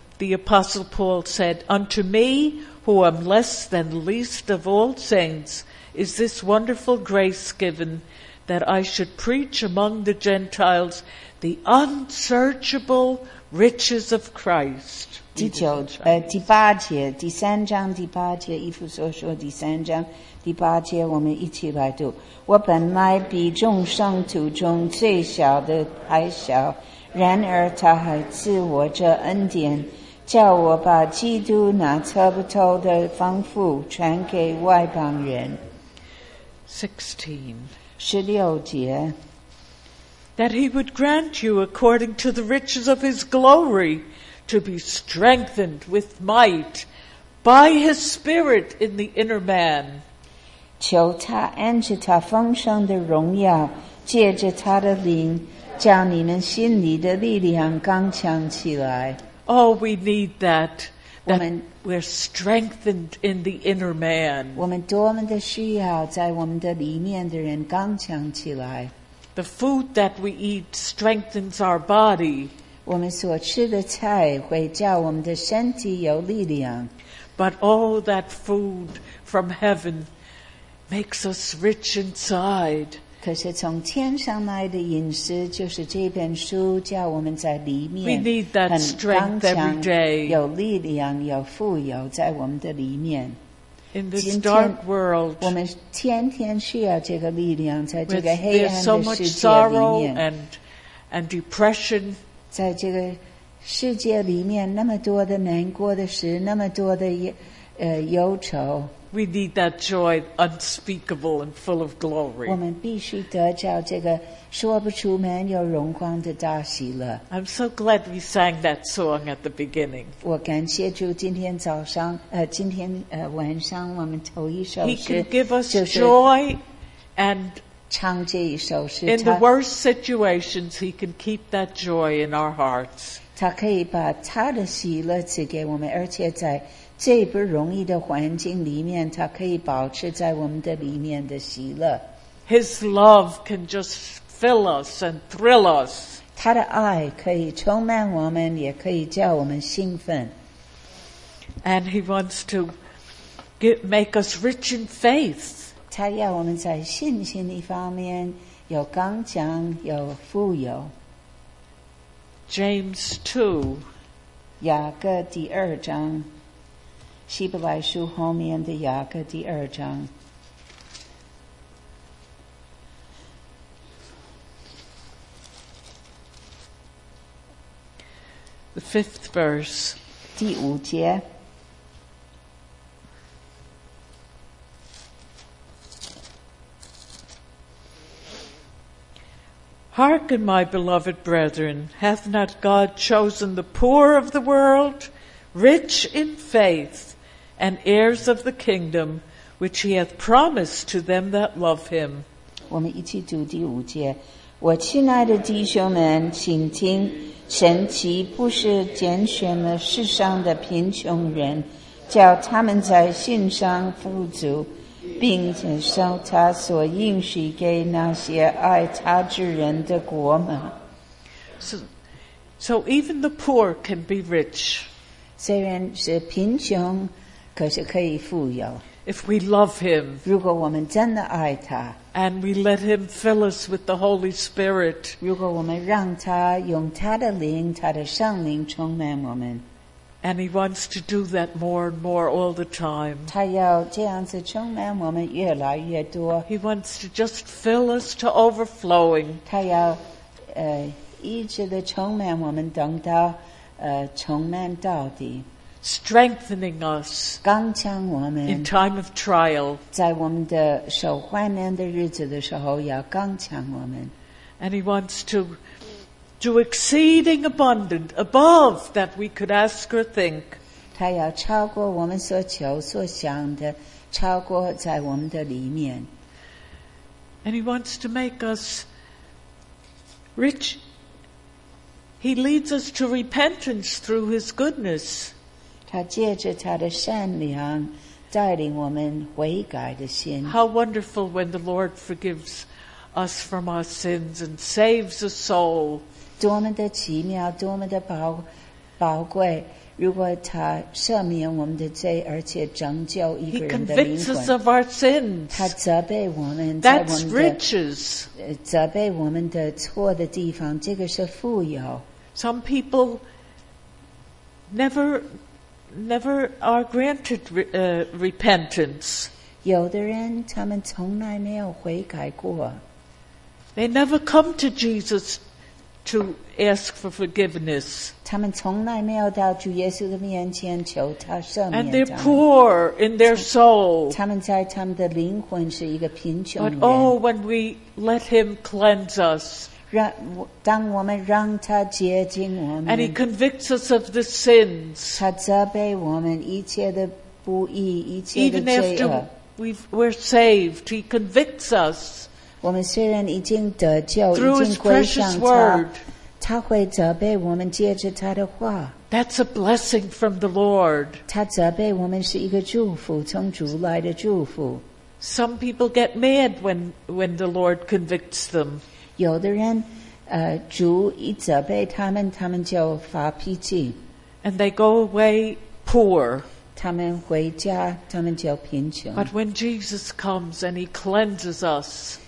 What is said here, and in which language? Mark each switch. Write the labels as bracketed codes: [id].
[en] The Apostle Paul said, Unto me, who am less than the least of all saints, is this wonderful grace given that I should preach among the Gentiles the unsearchable riches of Christ. [zh] 第八节，第三章第八节，以弗所说第三章第八节，我们一起来读。我本来比众圣徒中最小的还小，然而他还赐我这恩典。叫我把基督那测不透的丰富传给外邦人。 [en] 16. That he would grant you according to the riches of his glory to be strengthened with might by his spirit in the inner man. [zh] 求他按着他丰盛的荣耀，借着他的灵，叫你们心里的力量刚强起来。 [en] Oh, we need that. We're strengthened in the inner man. [zh] 我们多么的需要在我们的里面的人刚强起来。 [en] The food that we eat strengthens our body. [zh] 我们所吃的菜会叫我们的身体有力量。 [en] But that food from heaven makes us rich inside. [zh] 可是从天上来的饮食就是这本书叫我们在里面很刚强 [en] we need that every day. [zh] 有力量有富有在我们的里面 [en] In this [zh] 今天 [en] dark world, [zh] 我们天天需要这个力量在这个黑暗的世界里面 [en] there's so much sorrow and depression [zh] 在这个世界里面那么多的难过的事那么多的忧愁 [en] We need that joy unspeakable and full of glory. [zh] 我们必须得着这个说不出满有荣光的大喜乐。 [en] I'm so glad we sang that song at the beginning. [zh] 我感谢主今天早上今天晚上我们头一首诗。 [en] He can give us joy and [zh] 唱这一首诗。 [en] In the worst situations, he can keep that joy in our hearts. [zh] 他可以把他的喜乐赐给我们，而且在最不容易的环境里面，他可以保持在我们的里面的喜乐。 [en] His love can just fill us and thrill us. [zh] 他的爱可以充满我们，也可以叫我们兴奋。 [en] And he wants to make us rich in faith. [zh] 他要我们在信心一方面有刚强，有富有。 [en] James 2, [zh] 雅各第二章。希伯来书后面的雅各第二章。 [en] The fifth verse. [zh] 第五节。 [en] Hearken, my beloved brethren, hath not God chosen the poor of the world, rich in faith? And heirs of the kingdom, which he hath promised to them that love him. [zh] 我们一起读第五节。我亲爱的弟兄们，请听，神岂不是拣选了世上的贫穷人，叫他们在信上富足，并且受他所应许给那些爱他之人的国吗？ [en] So even the poor can be rich. [zh] 虽然是贫穷。可是可以富有。 [en] If we love him, [zh] 如果我们真的爱他 [en] and we let him fill us with the Holy Spirit, [zh] 如果我们让他用他的灵，他的圣灵充满我们 [en] and he wants to do that more and more all the time, [zh] 他要这样子充满我们越来越多 [en] he wants to just fill us to overflowing, [zh] 他要一直的充满我们等到充满到底。 [en] Strengthening us [zh] 刚强我们 [en] in time of trial, [zh] 在我们的受患难的日子的时候要刚强我们 [en] and he wants to do exceeding abundant above that we could ask or think. [zh] 他要超过我们所求所想的，超过在我们的里面 [en] and he wants to make us rich. He leads us to repentance through his goodness. [zh] 他借着他的善良带领我们悔改的心。 [en] How wonderful when the Lord forgives us from our sins and saves a soul. [zh] 多么的奇妙，多么的宝贵，如果他赦免我们的罪，而且拯救一个人的灵魂。 [en] He convicts us of our sins. [zh] 他责备我们。 [en] That's riches. [zh] 责备我们的错的地方，这个是富有。 [en] Some people never are granted repentance. [zh] 有的人他们从来没有悔改过。 [en] They never come to Jesus to ask for forgiveness. [zh] 他们从来没有到主耶稣的面前求他赦免。 [en] And they're poor in their soul. [zh] 他们在他们的灵魂是一个贫穷人。 [en] But oh, when we let him cleanse us. [zh] 当我们让他洁净我们 [en] and he convicts us of the sins [zh] 他责备我们一切的不义一切的罪恶 [en] even after we're saved he convicts us [zh] 我们虽然已经得救 [en] through his precious word [zh] 他会责备我们借着他的话 [en] that's a blessing from the Lord [zh] 他责备我们是一个祝福从主来的祝福 [en] some people get mad when the Lord convicts them [zh] 有的人主一责备他们他们就发脾气 [en] and they go away poor [zh] 他们回家他们就贫穷 [en] but when Jesus comes and he cleanses us